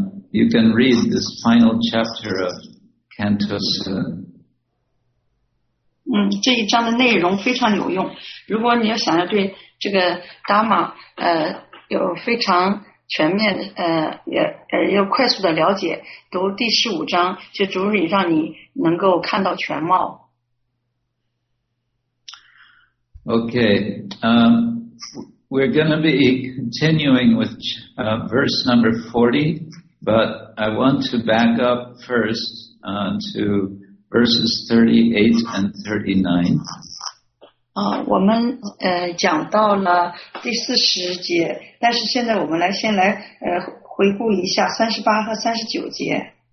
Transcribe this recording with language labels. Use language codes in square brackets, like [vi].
[en] You can read this final chapter of Canto 7. [zh] 这一章的内容非常有用。如果你要想要对这个达玛有非常全面又快速的了解，读第十五章就足以让你能够看到全貌。 [en] Okay. We're going to be continuing with verse number 40, but I want to back up first to verses 38 and 39. [zh] 我们讲到了第四十节，但是现在我们先来回顾一下38和39节。